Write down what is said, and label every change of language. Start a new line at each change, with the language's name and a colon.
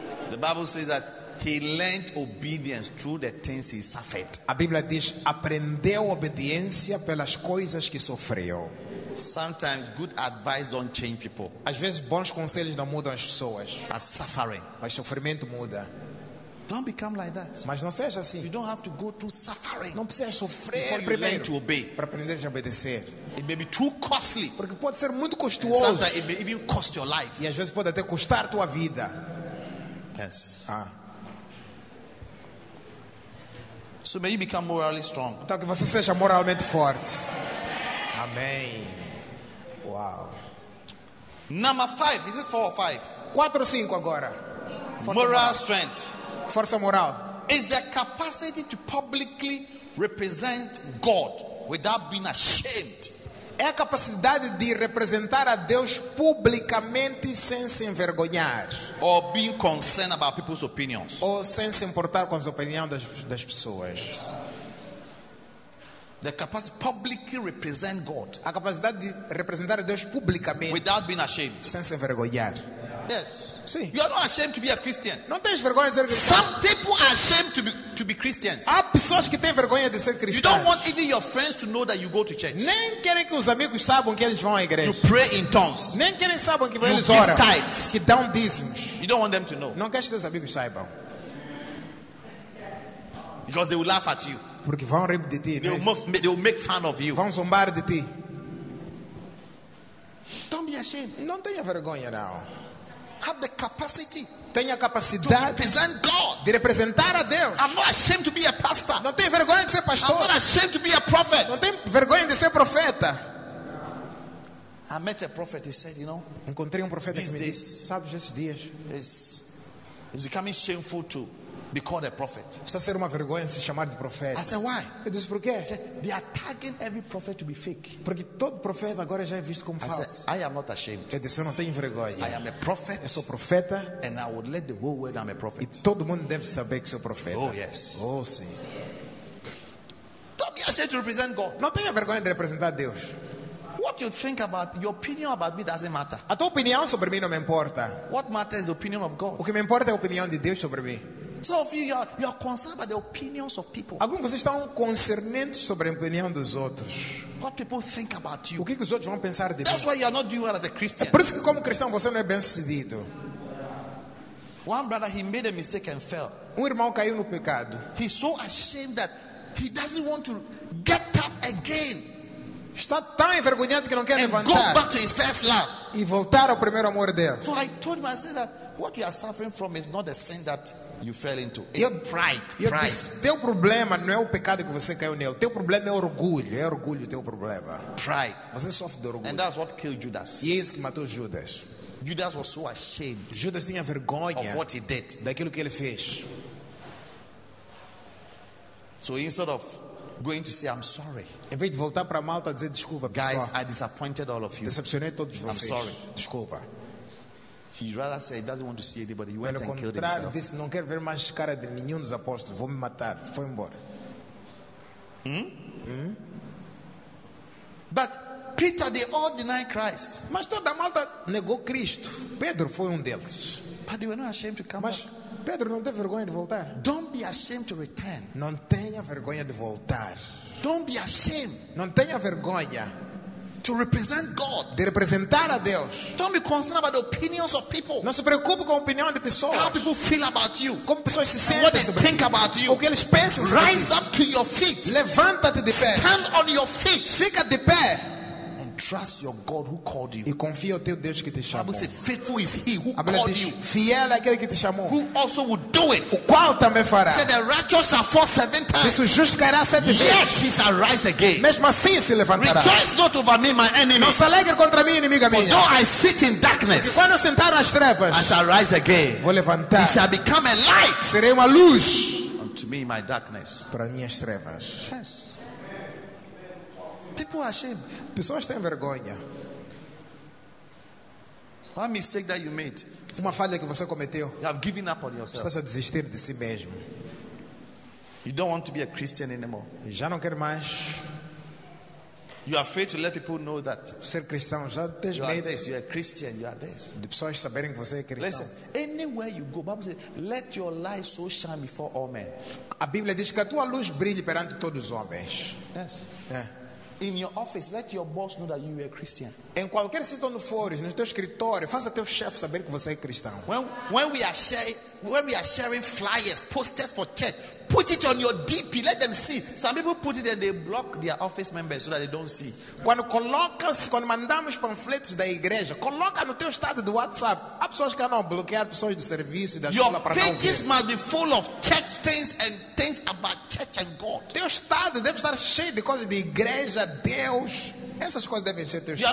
English: The Bible says that he learned obedience through the things he suffered.
Portuguese: A Bíblia diz aprendeu obediência pelas coisas que sofreu.
English: Sometimes good advice don't change people.
Portuguese: Às vezes bons conselhos não mudam as pessoas.
English: But suffering,
Portuguese: mas sofrimento muda.
English: Don't become like that.
Portuguese: Mas não seja assim.
English: You don't have to go through suffering.
Portuguese: Não precisa sofrer
English: before
Portuguese: primeiro.
English: You learn to obey.
Portuguese: Para aprender a obedecer.
English: It may be too costly.
Portuguese: Porque pode ser muito custoso.
English: And sometimes it may even cost your life.
Portuguese: E às vezes pode até custar tua vida.
English: Yes. Ah. So may you become morally strong.
Portuguese: Então que você seja moralmente forte. Amém.
English: Wow. Number 5. Is it 4 or 5?
Portuguese: 4 ou 5 agora. Força moral strength. Força moral.
English: Is the capacity to publicly represent God without being ashamed.
Portuguese: É a capacidade de representar a Deus publicamente sem se envergonhar.
English: Or being concerned about people's opinions.
Portuguese: Ou sem se importar com as opiniões das pessoas.
English: The capacity to publicly represent God.
Portuguese: A capacidade de representar a Deus publicamente.
English: Without being ashamed.
Portuguese: Sem se envergonhar.
English: Yes.
Portuguese: Sim.
English: You are not ashamed to be a Christian.
Portuguese: Não tens vergonha de ser cristão.
English: Some people are ashamed to be Christians.
Portuguese: Há pessoas que têm vergonha de ser cristãs.
English: You don't want even your friends to know that you go to church.
Portuguese: Nem querem que os amigos saibam que eles vão à igreja.
English: You pray in tongues.
Portuguese: Nem querem saber que eles oram.
English: You give tithes.
Portuguese: Que dão dízimos.
English: You don't want them to know.
Portuguese: Não queres que os amigos saibam.
English: Because they will laugh at you.
Portuguese: Porque vão rir de ti.
English: They will make fun of you.
Portuguese: Vão zombar de ti.
English: Don't be ashamed.
Portuguese: Não tenha vergonha não.
English: Have the capacity.
Portuguese: Tenha capacidade
English: to represent God.
Portuguese: De representar a Deus.
English: I'm not ashamed to be a pastor.
Portuguese: Não tenho vergonha de ser pastor.
English: I'm not ashamed to be a prophet.
Portuguese: Não tenho vergonha de ser profeta.
English: I met a prophet. He said, you know,
Portuguese: encontrei profeta que me disse, sabes, esses dias,
English: it's becoming shameful to be called a prophet.
Portuguese: Está a ser uma vergonha se chamar de profeta.
English: I said, why?
Portuguese: Eu disse, por quê?
English: He said, they are tagging every prophet to be fake.
Portuguese: Porque todo profeta agora já é visto como falso.
English: I said, I am not ashamed.
Portuguese: Eu disse, eu não tenho vergonha.
English: I am a prophet.
Portuguese: Eu sou profeta.
English: And I would let the whole world I'm a prophet.
Portuguese: E todo mundo deve saber que sou profeta.
English: Oh yes.
Portuguese: Oh sim.
English: Don't be ashamed to represent God.
Portuguese: Não tenha vergonha de representar Deus.
English: What you think about your opinion about me doesn't matter.
Portuguese: A tua opinião sobre mim não me importa.
English: What matters is the opinion of God.
Portuguese: O que me importa é a opinião de Deus sobre mim.
English: So if you are concerned about the opinions of people.
Portuguese: Alguns vocês estão concernentes sobre a opinião dos outros.
English: What people think about you.
Portuguese: O que os outros vão pensar de mim?
English: That's why you are not doing well as a Christian.
Portuguese: É por isso que como cristão você não é bem sucedido.
English: One brother, he made a mistake and fell.
Portuguese: Irmão caiu no pecado.
English: He's so ashamed that he doesn't want to get up again.
Portuguese: Está tão envergonhado que não quer
English: and
Portuguese: levantar.
English: Go back to his first love.
Portuguese: E voltar ao primeiro amor dele.
English: So I told him, I said that what you are suffering from is not a sin that you fell into. It's pride.
Portuguese: Teu problema não é o pecado que você caiu nele. Teu problema é orgulho. É orgulho teu problema.
English: Pride.
Portuguese: Você sofre de orgulho.
English: And that's what killed Judas.
Portuguese: E é isso que matou Judas.
English: Judas was so ashamed.
Portuguese: Judas tinha vergonha
English: of what he did.
Portuguese: Daquilo que ele fez.
English: So instead of going to say I'm sorry.
Portuguese: Em vez de voltar para a Malta dizer desculpa,
English: guys, I disappointed all of you.
Portuguese: Decepcionei todos vocês.
English: I'm sorry.
Portuguese: Desculpa.
English: He rather said he doesn't want to see anybody. He went and killed himself.
Portuguese: Disse, não quero ver mais cara de nenhum dos apóstolos. Vou me matar. Foi embora.
English: But Peter, they all denied Christ.
Portuguese: Mas toda a Malta negou Cristo. Pedro foi deles.
English: But they were not ashamed to come back.
Portuguese: Pedro não tem vergonha de voltar.
English: Don't be ashamed to return.
Portuguese: Não tenha vergonha de voltar.
English: Don't be ashamed.
Portuguese: Não tenha vergonha
English: to represent God.
Portuguese: De representar a Deus.
English: Don't be concerned about the opinions of people.
Portuguese: Não se preocupe com a opinião de pessoas.
English: How people feel about you.
Portuguese: Como pessoas se sentem.
English: What they think about you.
Portuguese: O que eles pensam.
English: Rise up to your feet.
Portuguese: Levanta-te de pé.
English: Stand on your feet.
Portuguese: Fica de pé.
English: Trust your God who called you.
Portuguese: E confia o teu Deus que te chamou.
English: Say, faithful is he who called you.
Portuguese: Fiel é aquele que te chamou.
English: Who also will do it.
Portuguese: O qual também fará.
English: Said, the righteous shall fall 7 times.
Portuguese: O justo cairá 7 vezes.
English: Yet he shall rise again.
Portuguese: Mesmo assim se levantará.
English: Rejoice not over me, my enemy.
Portuguese: Não se alegre contra mim, inimiga minha.
English: For though I sit in darkness.
Portuguese: Porque quando sentar nas trevas.
English: I shall rise again.
Portuguese: Vou levantar.
English: He shall become a light.
Portuguese: Serei uma luz.
English: Unto me my darkness.
Portuguese: Para minhas trevas.
English: Yes. People are ashamed.
Portuguese: Pessoas têm vergonha.
English: One mistake that you made.
Portuguese: Uma falha que você cometeu.
English: You have given up on yourself.
Portuguese: Estás a desistir de si mesmo.
English: You don't want to be a Christian anymore.
Portuguese: Já não quer mais.
English: You are afraid to let people know that.
Portuguese: Ser cristão já tens
English: you
Portuguese: medo.
English: Are this, you are Christian. You are this.
Portuguese: De pessoas saberem que você é cristão.
English: Listen, anywhere you go, Bible says, let your light so shine before all men.
Portuguese: A Bíblia diz que a tua luz brilhe perante todos os homens.
English: Yes.
Portuguese: É.
English: In your office, let your boss know that you are a Christian.
Portuguese: Em qualquer sítio onde fores, no teu escritório, faça teu chefe saber que você é cristão.
English: When we are sharing flyers, posters for church, put it on your DP, let them see. Some people put it there, they block their office members so that they don't see.
Portuguese: Quando mandamos panfletos da igreja, coloca no teu estado do WhatsApp. Há pessoas que não bloquear pessoas do serviço e da escola para não ver.
English: Your pages must be full of church things and things about church and God.
Portuguese: Teu estado deve estar cheio de coisas de igreja, Deus. Essas coisas devem ser teu estado.